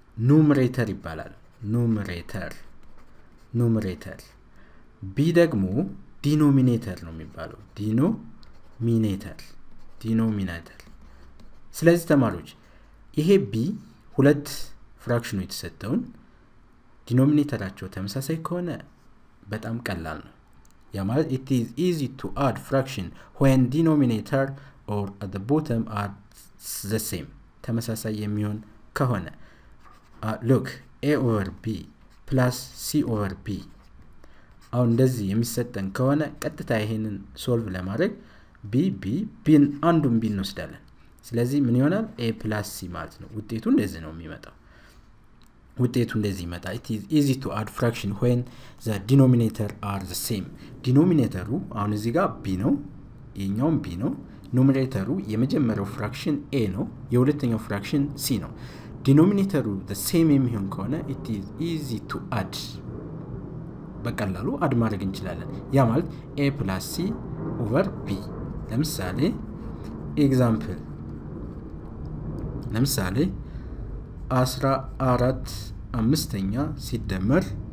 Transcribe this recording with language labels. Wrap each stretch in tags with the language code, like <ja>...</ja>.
<am>numerator ይባላል። numerator b ደግሞ denominator ነው የሚባለው። denominator ስለዚህ ተማሪዎች ይሄ b ሁለት ፍራክሽኑ የተሰጠውን ዲኖሚኔተራቸው ተመሳሳይ ከሆነ በጣም ቀላል ነው። ያ ማለት</am> <en>it is easy to add fraction when denominator or at the bottom are the same</en> <am>ተመሳሳይ የሚሆን ከሆነ</am> <en>look a over b</en> <am>plus c over b አሁን እንደዚህ የሚሰጠን ከሆነ ቀጥታ ይሄንን ሶልቭ ለማድረግ ቢን አንዱን ቢን እንወስዳለን። ስለዚህ ምን ይሆናል?</am> <en>a plus c</en> <am>ማለት ነው። ውጤቱ እንደዚህ ነው የሚመጣው።</am> <en>It is easy to add fraction when the denominator are the same.</en> <am>ዲኖሚኔተሩ አሁን እዚህ ጋር b ነው፣ የኛውም b ነው። ኑሜሬተሩ የመጀመሪያው ፍራክሽን a ነው፣ የሁለተኛው ፍራክሽን c ነው። ዲኖሚኔተሩ the same የሚሆን ከሆነ</am> <en>it is easy to add</en> <am>በቀላሉ አድ ማድረግ እንችላለን። ያ ማለት</am> <en>a plus c over b</en> <am>ለምሳሌ 14 አምስተኛ ሲደመር</am>